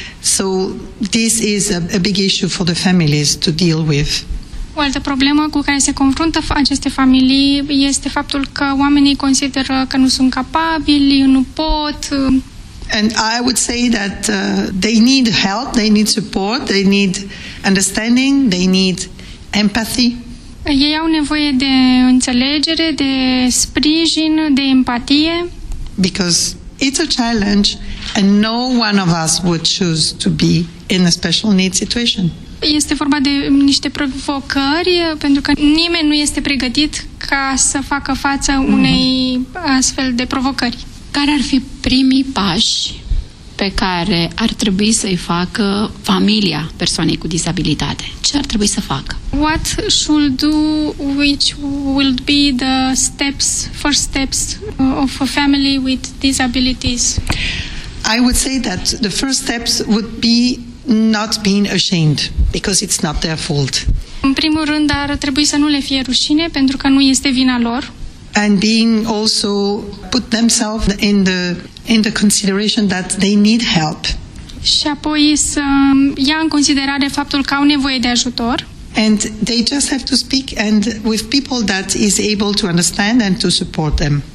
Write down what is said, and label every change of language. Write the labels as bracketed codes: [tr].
[en] So this is a big issue for the families to deal with. [ro] O altă problemă cu care se confruntă aceste familii este faptul că oamenii consideră că nu sunt capabili, nu pot. [en] And I would say that they need help, they need support, they need understanding, they need empathy. [ro] Ei au nevoie de înțelegere, de sprijin, de empatie. [en] Because it's a challenge and no one of us would choose to be in a special need situation. [ro] Este vorba de niște provocări, pentru că nimeni nu este pregătit ca să facă față unei astfel de provocări. Care ar fi primii pași pe care ar trebui să-i facă familia persoanei cu dizabilitate? Ce ar trebui să facă? [en] What should do, which will be the steps, first steps of a family with disabilities? I would say that the first steps would be not being ashamed, because it's not their fault. [ro] În primul rând, ar trebui să nu le fie rușine, pentru că nu este vina lor. [en] And being also put themselves in the consideration that they need help. [ro] Și apoi să ia în considerare faptul că au nevoie de ajutor. [en] And they just have to speak and with people that is able to understand and to support them.